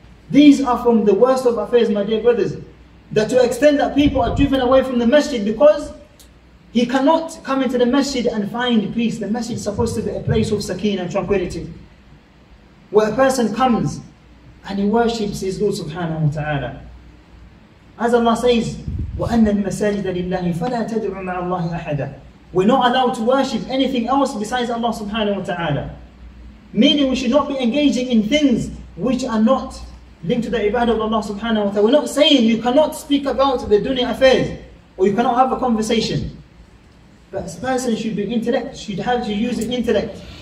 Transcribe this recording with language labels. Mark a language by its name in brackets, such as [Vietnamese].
[English] These are from the worst of affairs, my dear brothers, that to extend that people are driven away from the masjid because he cannot come into the masjid and find peace. The masjid is supposed to be a place of sakina and tranquility, where a person comes and he worships his Lord subhanahu wa ta'ala. As Allah says, [Arabic] وَأَنَّ الْمَسَاجِدَ لِلَّهِ فَلَا تَدْعُوا مَعَ اللَّهِ أَحَدًا. [English] We're not allowed to worship anything else besides Allah subhanahu wa ta'ala. Meaning we should not be engaging in things which are not linked to the ibadah of Allah subhanahu wa ta'ala. We're not saying you cannot speak about the dunya affairs, or you cannot have a conversation. But a person should be intellect, should have to use intellect.